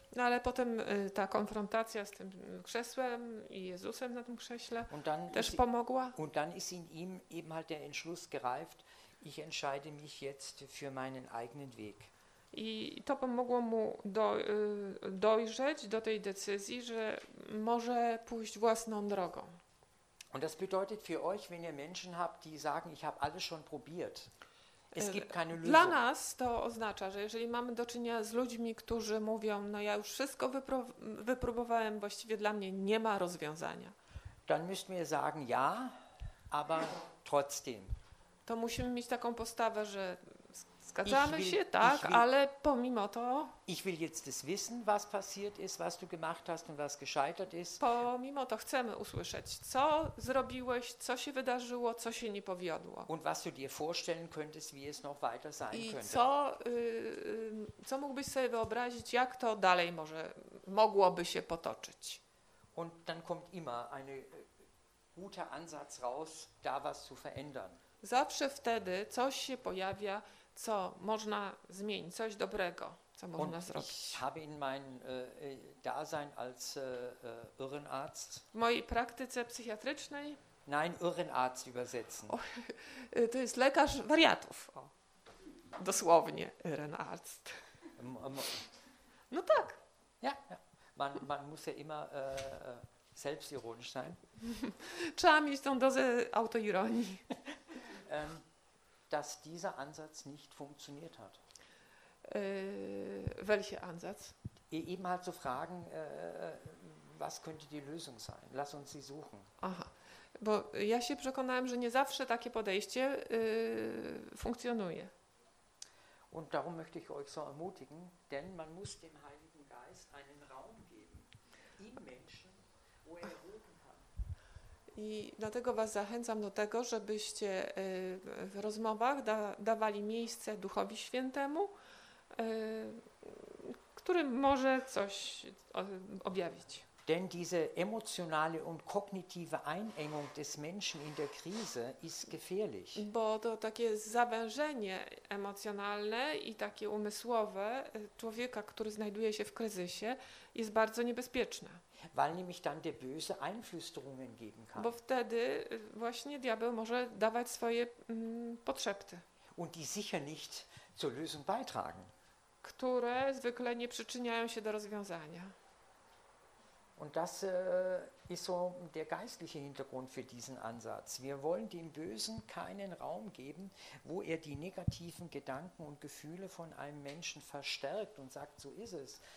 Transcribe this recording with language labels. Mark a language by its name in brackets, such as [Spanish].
[Polish] No ale potem ta konfrontacja z tym krzesłem i Jezusem na tym krześle też pomogła. [German] Und dann ist in ihm eben halt der Entschluss gereift, ich entscheide mich jetzt für meinen eigenen Weg. [Polish] I to pomogło mu dojrzeć do tej decyzji, że może pójść własną drogą. [German] Und das bedeutet für euch, wenn ihr Menschen habt, die sagen, ich habe alles schon probiert. Es gibt keine Lösung. [Polish] Dla nas to oznacza, że jeżeli mamy do czynienia z ludźmi, którzy mówią, no ja już wszystko wypróbowałem, właściwie dla mnie nie ma rozwiązania. [German] Dann müssen wir sagen, ja, aber trotzdem. [Polish] To musimy mieć taką postawę, że zgadzamy się, tak, ale pomimo to. [German] Ich will jetzt das wissen, was passiert ist, was du gemacht hast und was gescheitert ist. [Polish] Pomimo to chcemy usłyszeć, co zrobiłeś, co się wydarzyło, co się nie powiodło. [German] Und was du dir vorstellen könntest, wie es noch weiter sein könnte. [Polish] I co mógłbyś sobie wyobrazić, jak to dalej może mogłoby się potoczyć. [German] Und dann kommt immer ein guter Ansatz raus, da was zu verändern. [Polish] Zawsze wtedy coś się pojawia, co można zmienić, coś dobrego, co [German] Und [Polish] można zrobić. [German] Ich habe in mein Dasein als Irrenarzt. [Polish] W mojej praktyce psychiatrycznej. [German] Nein, Irrenarzt übersetzen. [Polish] O, to jest lekarz wariatów. O. Dosłownie Irrenarzt. No tak. [German] Ja, ja. Man muss ja immer selbstironisch sein. [Polish] Trzeba mieć tą dozę autoironii. [German] Dass dieser Ansatz nicht funktioniert hat. Welcher Ansatz? Eben halt zu fragen, was könnte die Lösung sein? Lass uns sie suchen. [Polish] Aha, bo ja się przekonałem, że nie zawsze takie podejście funktionuje. [German] Und darum möchte ich euch so ermutigen, denn man muss dem Heiligen Geist einen Raum geben, im Menschen, wo er [Polish] I dlatego was zachęcam do tego, żebyście w rozmowach dawali miejsce Duchowi Świętemu, który może coś objawić. [German] Denn diese emotionale und kognitive Einengung des Menschen in der Krise ist gefährlich. [Polish] Bo to takie zawężenie emocjonalne i takie umysłowe człowieka, który znajduje się w kryzysie, jest bardzo niebezpieczne. [German] Weil nämlich dann der böse Einflüsterungen geben kann. [Polish] Bo wtedy właśnie diabeł może dawać swoje podszepty. [German] Und die sicher nicht zur Lösung beitragen. [Polish] Które zwykle nie przyczyniają się do rozwiązania. [German] Und das ist so der geistliche Hintergrund für diesen Ansatz. Wir wollen dem Bösen keinen Raum geben, wo er die negativen Gedanken und Gefühle von einem Menschen verstärkt und sagt, so ist es.